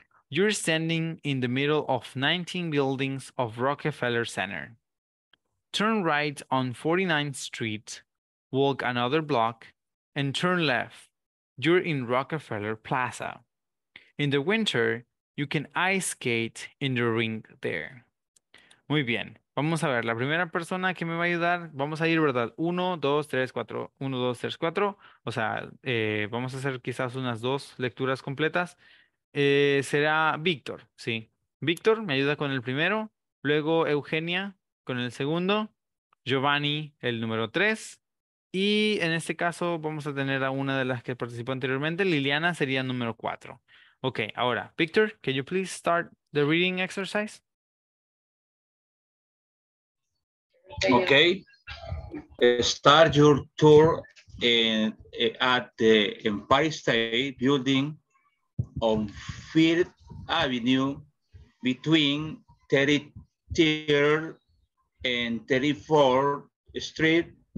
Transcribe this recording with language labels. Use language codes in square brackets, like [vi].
[en] You're standing in the middle of 19 buildings of Rockefeller Center. Turn right on 49th Street, walk another block, and turn left. You're in Rockefeller Plaza. In the winter, you can ice skate in the rink there. [es] Muy bien. Vamos a ver, la primera persona que me va a ayudar, vamos a ir, ¿verdad? 1, 2, 3, 4, 1, 2, 3, 4. O sea, vamos a hacer quizás unas dos lecturas completas. Será Víctor, ¿sí? Víctor me ayuda con el primero, luego Eugenia con el segundo, Giovanni el número 3, y en este caso vamos a tener a una de las que participó anteriormente, Liliana sería número 4. [en] Ok, ahora, Víctor, can you please start the reading exercise? Okay, start your tour at the Empire State Building on Fifth Avenue between 33rd and 34th Street.